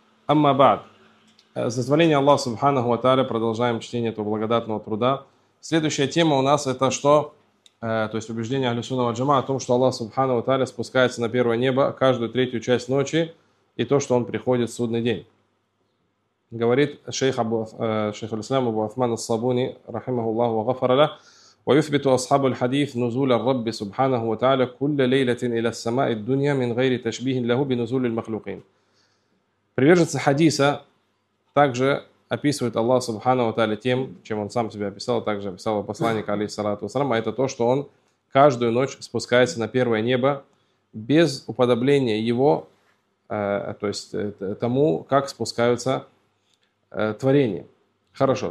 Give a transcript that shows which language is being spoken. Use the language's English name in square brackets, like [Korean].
[Arabic] اما بعد، [Russian] с дозволения Аллаха Субханаху ва Тааля продолжаем чтение этого благодатного труда. Следующая тема у нас это что? То есть убеждение Ахли Сунна ва Джамаа о том, что Аллах Субханаху ва Тааля спускается на первое небо каждую третью часть ночи и то, что Он приходит в судный день. Говорит [Arabic] шейх аль-Ислам Абу Атман ас-Сабуни рахимаху Аллаху ва гафара ля, ва юфбиту асхабу аль-хадиث نزول الرب سبحانه وتعالى كل ليلة إلى السماء الدنيا من غير تشبيه له بنزول المخلوقين. [Russian] Приверженцы хадиса также описывают Аллах Субханаху ва Тааля тем, чем он сам себя описал, также описал посланник алейхиссалату вассалам, а это то, что он каждую ночь спускается на первое небо без уподобления его, то есть тому, как спускаются творение. Хорошо.